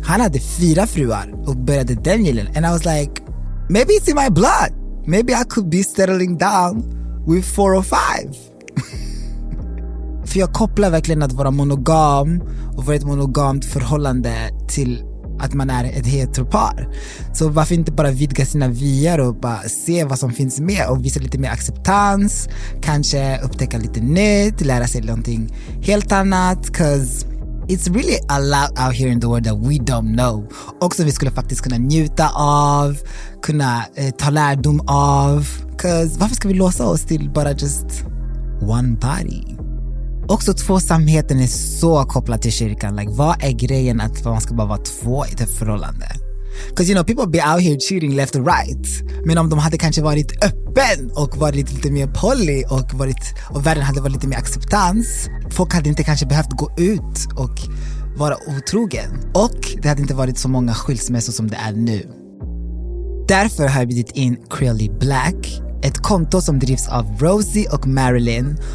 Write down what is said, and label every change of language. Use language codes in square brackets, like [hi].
[sv] Han hade fyra fruar och började den gillen. [en] And I was like, maybe it's in my blood. Maybe I could be settling down with four or five. [sv] För jag kopplar verkligen att vara monogam och vara ett monogamt förhållande till att man är ett heteropar. Så varför inte bara vidga sina vyer och bara se vad som finns med och visa lite mer acceptans. Kanske upptäcka lite nytt, lära sig någonting helt annat. [en] Because it's really a lot out here in the world that we don't know. [sv] Och som vi skulle faktiskt kunna njuta av, kunna ta lärdom av. [en] Because [sv] varför ska vi låsa oss till bara [en] just one body? [sv] Också tvåsamheten är så kopplad till kyrkan. [en] Like, [sv] vad är grejen att man ska bara vara två i det förhållande? [en] Because you know, people be out here cheating left and right. [sv] Men om de hade kanske varit öppen och varit lite mer poly och världen hade varit lite mer acceptans, folk hade inte kanske behövt gå ut och vara otrogen. Och det hade inte varit så många skilsmässor som det är nu. Därför har jag bjudit in Creally Black, ett konto som drivs av Rosie och Marilyn.